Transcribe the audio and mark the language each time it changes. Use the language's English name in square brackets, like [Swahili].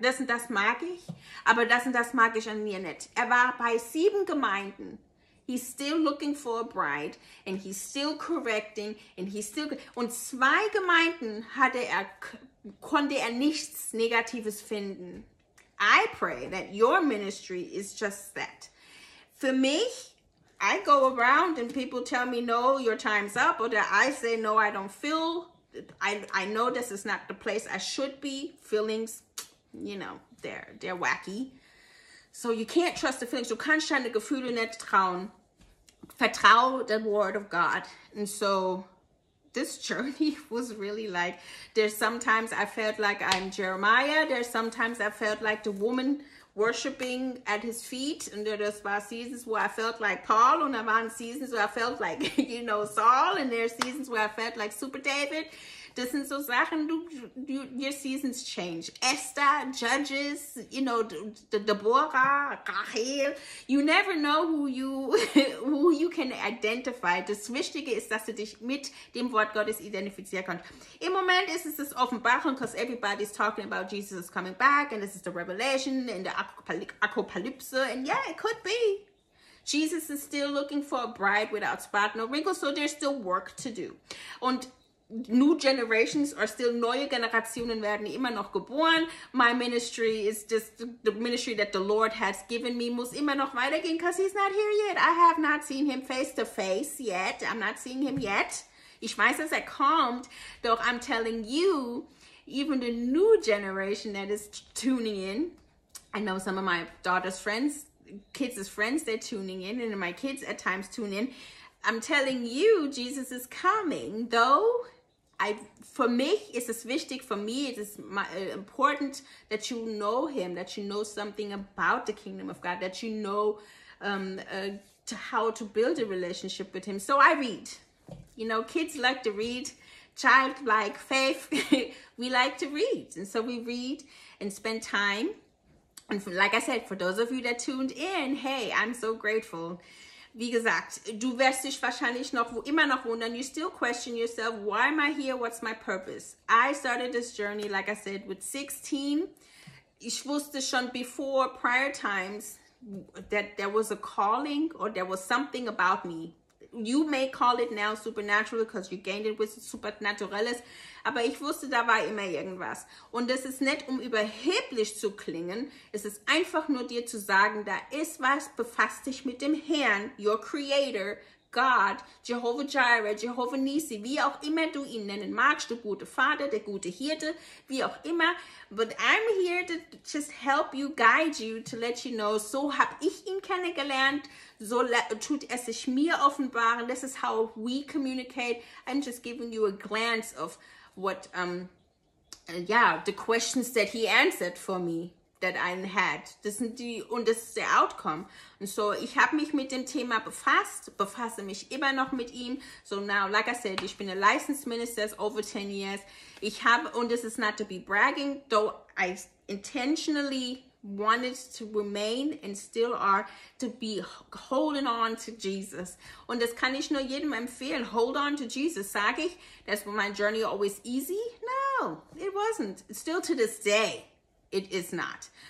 [German] Das und das mag ich, aber das und das mag ich an mir nicht. Er war bei 7 Gemeinden. [English] He's still looking for a bride, and he's still correcting, and he's still... [German] Und 2 Gemeinden hatte er, konnte er nichts Negatives finden. [English] I pray that your ministry is just that. [German] Für mich, [English] I go around and people tell me, no, your time's up, or I say, no, I don't feel, I know this is not the place I should be. Feelings, you know, they're wacky. So you can't trust the feelings. [German] Du kannst deine Gefühle nicht trauen. Vertrau [English] the word of God. And so this journey was really like, there's sometimes I felt like I'm Jeremiah. There's sometimes I felt like the woman worshiping at his feet. And there were seasons where I felt like Paul. And there were seasons where I felt like, you know, Saul. And there are seasons where I felt like Super David. [German] Das sind so Sachen, [English] your seasons change. Esther, Judges, you know, Deborah, Rahel. You never know who you can identify. [German] Das Wichtige ist, dass du dich mit dem Wort Gottes identifizieren kannst. Im Moment ist es das Offenbarung, [English] because everybody's talking about Jesus is coming back, and this is the revelation, and the apocalypse, and yeah, it could be. Jesus is still looking for a bride without spot, no wrinkles, so there's still work to do. [German] Und [English] new generations are still, [German] neue Generationen werden immer noch geboren. [English] My ministry is just the ministry that the Lord has given me, [German] muss immer noch weitergehen, [English] because he's not here yet. I have not seen him face to face yet. I'm not seeing him yet. [German] Ich weiß, dass kommt, doch [English] I'm telling you, even the new generation that is tuning in, I know some of my daughter's friends, kids' friends, they're tuning in, and my kids at times tune in. I'm telling you, Jesus is coming, though for me, it's as wichtig, for me, it is important that you know him, that you know something about the kingdom of God, that you know how to build a relationship with him. So I read. You know, kids like to read, childlike faith, we like to read. And so we read and spend time. And like I said, for those of you that tuned in, hey, I'm so grateful. [German] Wie gesagt, du wirst dich wahrscheinlich immer noch wundern. [English] You still question yourself, why am I here? What's my purpose? I started this journey, like I said, with 16. [German] Ich wusste schon [English] before, prior times, that there was a calling or there was something about me. You may call it now supernatural because you gained it with supernaturelles. [German] Aber ich wusste, da war immer irgendwas. Und das ist nicht, um überheblich zu klingen. Es ist einfach nur dir zu sagen, da ist was, befasst dich mit dem Herrn, [English] your creator, [German] God, Jehovah Jireh, Jehovah Nisi, wie auch immer du ihn nennen magst, der gute Vater, der gute Hirte, wie auch immer. [English] But I'm here to just help you, guide you, to let you know, [German] so habe ich ihn kennengelernt, so tut er sich mir offenbaren. [English] This is how we communicate. I'm just giving you a glance of what, the questions that he answered for me. That I had. [German] Das sind die, und das ist der Outcome. Und so, ich habe mich mit dem Thema befasst, befasse mich immer noch mit ihm. [English] So now, like I said, [German] ich bin [English] a licensed minister over 10 years. [German] Ich habe, und [English] this is not to be bragging, though I intentionally wanted to remain and still are to be holding on to Jesus. [German] Und das kann ich nur jedem empfehlen. [English] Hold on to Jesus. [German] Sag ich, [English] that's my journey always easy? No, it wasn't. Still to this day. It is not.